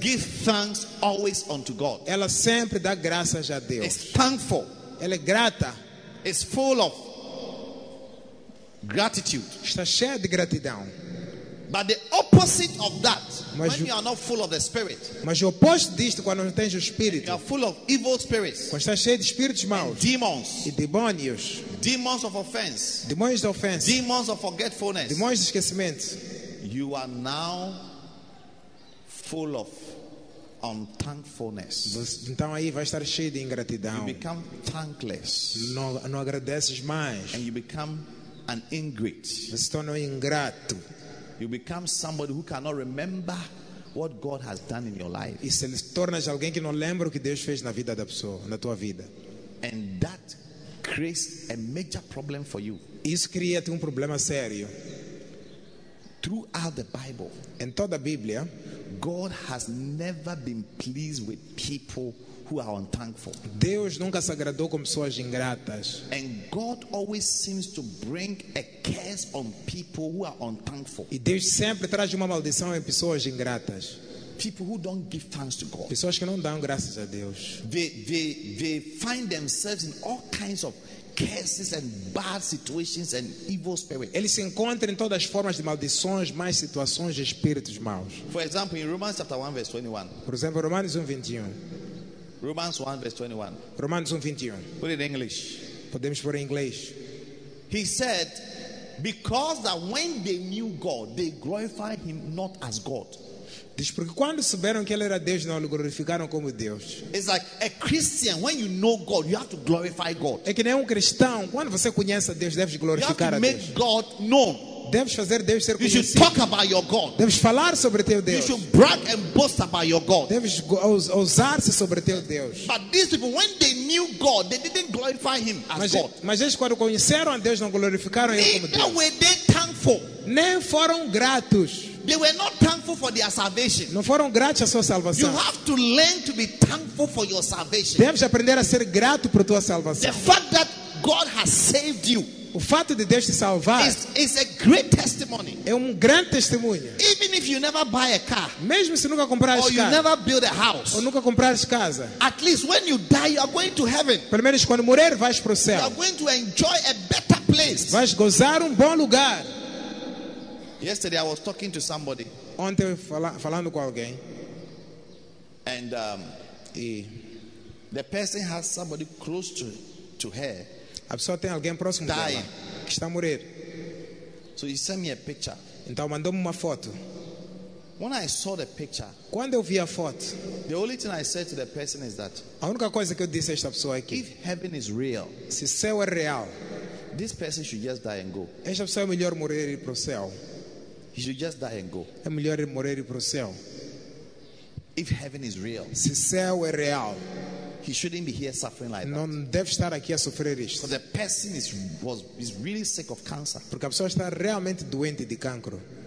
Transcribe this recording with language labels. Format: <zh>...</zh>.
<en>Give thanks always unto God.</en> <pt>Ela sempre dá graças a Deus.</pt> <en>Is thankful.</en> <pt>Ela é grata.</pt> <en>Is full of gratitude.</en> <pt>Está cheia de gratidão.</pt> <en>But the opposite of that, mas when you are not full of the Spirit,</en> <pt>mas o oposto disto quando não tens o Espírito,</pt> <en>you are full of evil spirits,</en> <pt>quando estás cheio de espíritos maus,</pt> <en>demons,</en> <pt>e demônios,</pt> <en>demons of offense,</en> <pt>demônios de ofensa,</pt> <en>demons of forgetfulness,</en> <pt>demônios de esquecimento,</pt> <en>you are now full of unthankfulness.</en> <pt>Então aí vai estar cheio de ingratidão.</pt> <en>You become thankless.</en> <pt>Não agradeces mais.</pt> <en>And you become an ingrate.</en> <pt>Se torna ingrato.</pt> <en>You become somebody who cannot remember what God has done in your life.</en> <pt>E se tornas alguém que não lembra o que Deus fez na vida da pessoa, na tua vida.</pt> <en>And that creates a major problem for you.</en> <pt>Isso cria-te problema sério.</pt> <en>Throughout the Bible,</en> <pt>em toda a Bíblia,</pt> <en>God has never been pleased with people who are unthankful.</en> <pt>Deus nunca se agradou com pessoas ingratas.</pt> <en>And God always seems to bring a curse on people who are unthankful.</en> <pt>E Deus sempre traz uma maldição em pessoas ingratas.</pt> <en>People who don't give thanks to God.</en> <pt>Pessoas que não dão graças a Deus.</pt> <en>They find themselves in all kinds of curses and bad situations and evil spirits.</en> <pt>Eles se encontram em todas as formas de maldições, mais situações de espíritos maus.</pt> <en>For example, in Romans chapter 1 verse 21.</en> <pt>Por exemplo, Romanos 1:21.</pt> <en>Romans 1 verse 21.</en> <pt>Romanos 1:21.</pt> <en>Put it in English.</en> <pt>Podemos pôr em inglês.</pt> <en>He said, because that when they knew God, they glorified him not as God.</en> <pt>Diz porque quando souberam que ele era Deus, não o glorificaram como Deus.</pt> <en>It's like a Christian, when you know God, you have to glorify God.</en> <pt>É que nem cristão, quando você conhece a Deus, deve glorificar a Deus.</pt> <en>You have to make God known.</en> <pt>Deves fazer Deus ser conhecido.</pt> <en>You should talk about your God.</en> <pt>Deves falar sobre teu Deus.</pt> <en>You should brag and boast about your God.</en> <pt>Deves ousar-se sobre teu Deus.</pt> <en>But these people, when they knew God, they didn't glorify Him as</en> <pt>mas,</pt> <en>God.</en> <pt>Mas eles quando conheceram a Deus não glorificaram</pt> <en>Neither</en> <pt>Ele como Deus.</pt> <en>Were they thankful.</en> <pt>Nem foram gratos.</pt> <en>They were not thankful for their salvation.</en> <pt>Não foram gratos à sua salvação.</pt> <en>You have to learn to be thankful for your salvation.</en> <pt>Deves aprender a ser grato por tua salvação.</pt> <en>The fact that God has saved you.</en> <pt>O fato de Deus te salvar</pt> <en>is a great testimony.</en> <pt>É grande testemunho.</pt> <en>Even if you never buy a car,</en> <pt>mesmo se nunca comprares</pt> <en>casa, or you never build a house,</en> <pt>ou nunca comprares casa,</pt> <en>at least when you die, you are going to heaven.</en> <pt>Pelo menos quando morrer vais para o céu.</pt> <en>You are going to enjoy a better place.</en> <pt>Vais gozar bom lugar.</pt> <en>Yesterday I was talking to somebody.</en> <pt>Ontem falando com alguém.</pt> <en>And the person has somebody close to her.</en> <pt>A pessoa tem alguém próximo</pt> <en>dying.</en> <pt>Dela que está a morrer.</pt> <en>So he sent me a picture.</en> <pt>Então mandou-me uma foto.</pt> <en>When I saw the picture,</en> <pt>quando eu vi a foto,</pt> <en>the only thing I said to the person is that,</en> <pt>a única coisa que eu disse a esta pessoa é que,</pt> <en>if heaven is real,</en> <pt>se céu é real,</pt> <en>this person should just die and go.</en> <pt>Esta pessoa é melhor morrer e ir para o céu.</pt> <en>He should just die and go.</en> <pt>É melhor morrer e ir para o céu.</pt> <en>If heaven is real,</en> <pt>se céu é real.</pt> <en>He shouldn't be here suffering like</en> <pt>não</pt> <en>that.</en> <pt>Não deve estar aqui a sofrer isto.</pt> <en>Because the person is really sick of cancer.</en> <pt>Porque a pessoa está realmente doente de cancro.</pt>